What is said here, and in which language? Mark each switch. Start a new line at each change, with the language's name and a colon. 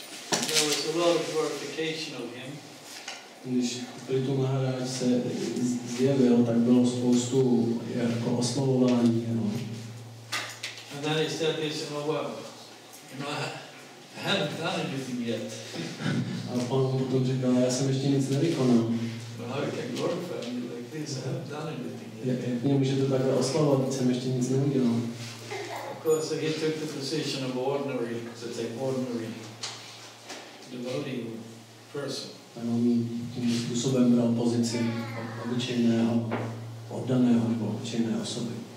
English: There was a lot of glorification of him.
Czech: Když Prita Maharaj se zjevil, tak bylo spoustu jako oslavování jeho.
English: And then he said this, oh well, you know, I haven't done anything yet.
Czech: A on potom říkal, já jsem ještě nic nevykonal.
English: Well, how you can glorify me like this, I haven't done anything yet.
Czech: Jak mě můžete takhle oslavovat, jsem ještě nic neudělal.
English: Of course, so he took the position of ordinary, so it's like ordinary devotee person.
Czech: Ten on tím způsobem bral pozici obyčejného, oddaného nebo obyčejné osoby.